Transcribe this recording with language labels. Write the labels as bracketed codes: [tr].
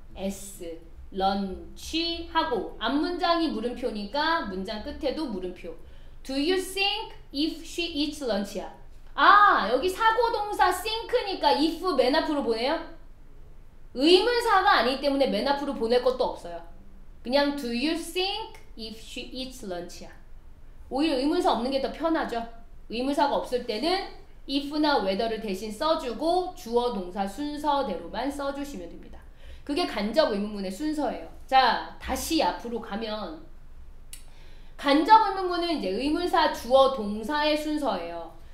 [ko] s lunch 하고 앞문장이 물음표니까 문장 끝에도 물음표. [en] Do you think if she eats lunch야? [ko] 아 여기 사고동사 [en] think니까 if [ko] 맨 앞으로 보내요? 의문사가 아니기 때문에 맨 앞으로 보낼 것도 없어요. 그냥 [en] do you think if she eats lunch야. [ko] 오히려 의문사 없는 게 더 편하죠. 의문사가 없을 때는 if나 whether를 대신 써주고 주어 동사 순서대로만 써주시면 됩니다. 그게 간접 의문문의 순서예요. 자, 다시 앞으로 가면 간접 의문문은 이제 의문사 주어 동사의 순서예요.